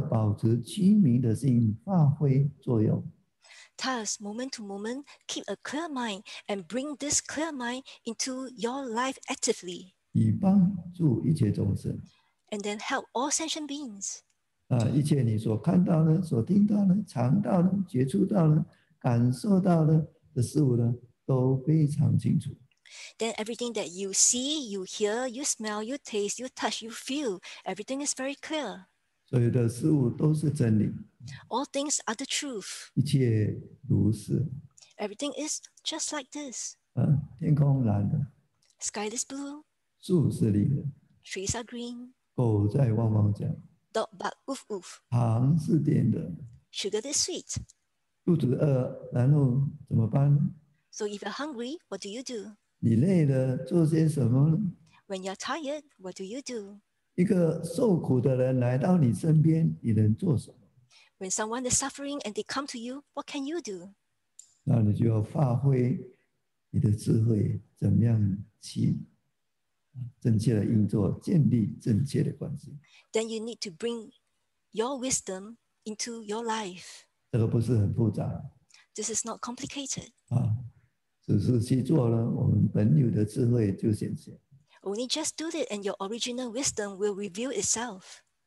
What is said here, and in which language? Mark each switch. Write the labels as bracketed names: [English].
[Chinese] 因此，你必须时刻保持清明的心，发挥作用。 [English] Thus, moment to moment, keep a clear mind and bring this clear mind into your life actively. [Chinese] 以帮助一切众生。 [English] And then help all sentient beings. [Chinese] 一切你所看到的、所听到的、尝到的、接触到的、感受到的事物呢，都非常清楚。 [English] Then everything that you see, you hear, you smell, you taste, you touch, you feel, everything is very clear. [Chinese] 所有的事物都是真理。 [English] All things are the truth. [Chinese] 一切如是。 [English] Everything is just like this. [Chinese] 天空蓝的。 [English] Sky is blue. [Chinese] 树是绿的。 [English] Trees are green. [Chinese] 狗在汪汪叫。 [English] Dog bark woof woof. [Chinese] 糖是甜的。 [English] Sugar is sweet. [Chinese] 肚子饿，然后怎么办？ [English] So if you're hungry, what do you do? [Chinese] 你累了，做些什么呢？ [English] When you're tired, what do you do? [Chinese] 一个受苦的人来到你身边，你能做什么？ [English] When someone is suffering and they come to you, what can you do? [Chinese] 那你就要发挥你的智慧，怎么样去正确的运作，建立正确的关系。 [English] Then you need to bring your wisdom into your life. [Chinese] 这个不是很复杂。 [English] This is not complicated. [Chinese] 只是去做了，我们本有的智慧就显现。 [English] Only just do it and your original wisdom will reveal itself.